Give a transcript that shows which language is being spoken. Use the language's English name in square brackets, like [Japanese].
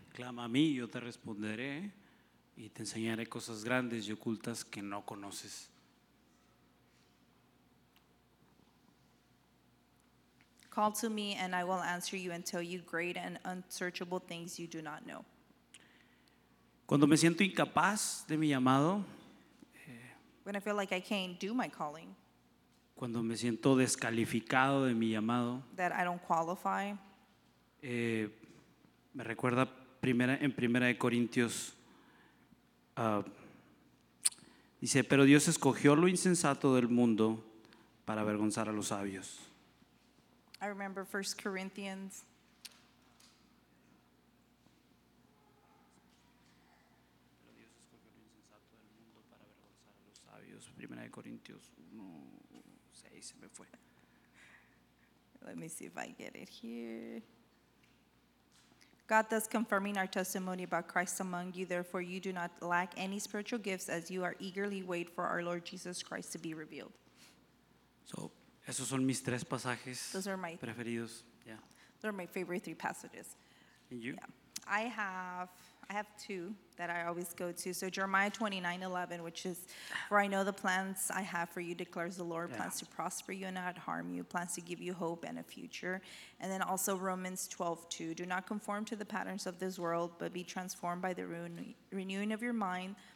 [Spanish] Clama a mí, yo te responderé. Y te enseñaré cosas grandes y ocultas que no conoces. [English] Call to me and I will answer you and tell you great and unsearchable things you do not know. [Spanish] Cuando me siento incapaz de mi llamado. [English] When I feel like I can't do my calling. [Spanish] Cuando me siento descalificado de mi llamado. [English] That I don't qualify. [Spanish] Me recuerda primera de Corintios. Dice, pero Dios escogió lo insensato del mundo para avergonzar a los sabios. [English] I remember 1 Corinthians. [Spanish] Pero Dios escogió lo insensato del mundo para avergonzar a los sabios. 1 Corintios 1:6, se me fue. [English] Let me see if I get it here. God thus confirming our testimony about Christ among you, therefore you do not lack any spiritual gifts as you are eagerly wait for our Lord Jesus Christ to be revealed. [Spanish] So, esos son mis tres pasajes preferidos. [English] Yeah. Those are my favorite three passages. And you? Yeah. I have two that I always go to. So Jeremiah 29:11, which is, for I know the plans I have for you, declares the Lord, plans to prosper you and not harm you, plans to give you hope and a future. And then also Romans 12:2, do not conform to the patterns of this world, but be transformed by the renewing of your mind.